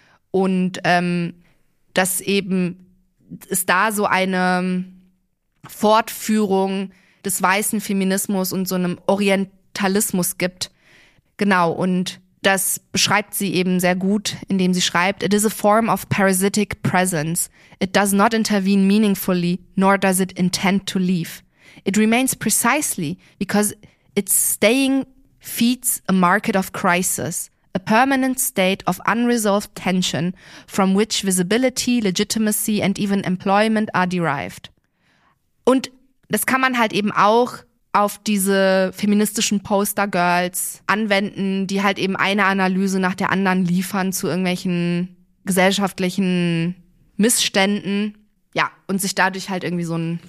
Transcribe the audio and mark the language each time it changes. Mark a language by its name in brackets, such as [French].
[German] Und dass eben es da so eine Fortführung des weißen Feminismus und so einem Orientalismus gibt. Genau, und das beschreibt sie eben sehr gut, indem sie schreibt: [English] It is a form of parasitic presence. It does not intervene meaningfully, nor does it intend to leave. It remains precisely because its staying feeds a market of crisis, a permanent state of unresolved tension from which visibility, legitimacy and even employment are derived. [German] Und das kann man halt eben auch auf diese feministischen Poster-Girls anwenden, die halt eben eine Analyse nach der anderen liefern zu irgendwelchen gesellschaftlichen Missständen. Ja, und sich dadurch halt irgendwie so einen